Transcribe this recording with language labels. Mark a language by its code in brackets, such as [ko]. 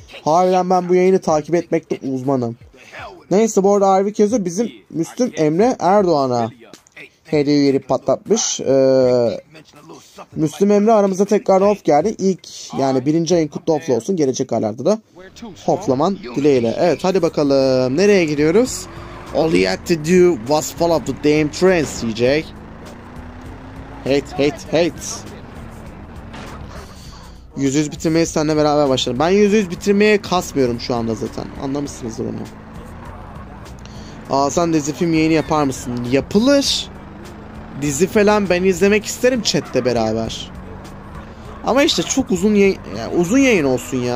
[tr] Harbiden ben bu yayını takip etmekte uzmanım. Neyse, bu arada Ivy Kezo bizim Müslüm Emre Erdoğan'a hediye üyelik patlatmış. Müslüm Emre aramıza tekrar hof geldi. İlk, yani birinci ayın kutlu hoflu olsun. Gelecek aylarda da hoflaman dileğiyle. Evet, hadi bakalım. Nereye gidiyoruz? [en] All you had to do was follow the damn train, CJ. Hate. [tr] 100-100 bitirmeyi seninle beraber başladım. Ben 100-100 bitirmeye kasmıyorum şu anda zaten. Anlamışsınızdır onu. Sen dizi film yayını yapar mısın? Yapılır. Dizi falan ben izlemek isterim chatte beraber. Ama işte çok uzun yayın olsun ya.